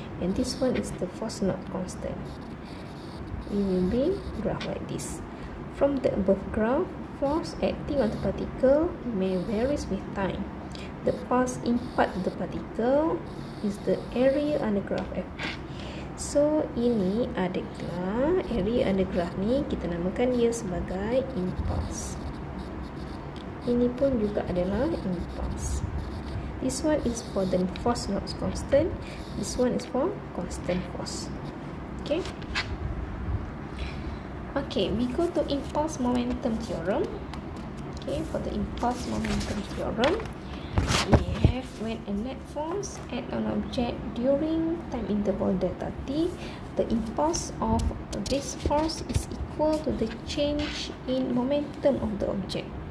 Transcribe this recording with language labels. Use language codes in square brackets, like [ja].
[en] And this one is the force not constant. We will bring graph like this. From the above graph, force acting on the particle may vary with time. The force impact the particle is the area under graph F. [ms] So ini adalah [en] area under graph [ms] ni, kita namakan dia sebagai impulse. Ini pun juga adalah impulse. [en] This one is for the force not constant. This one is for constant force. Okay. Okay, we go to impulse momentum theorem. Okay, for the impulse momentum theorem, we have when a net force at an object during time interval delta t, the impulse of this force is equal to the change in momentum of the object.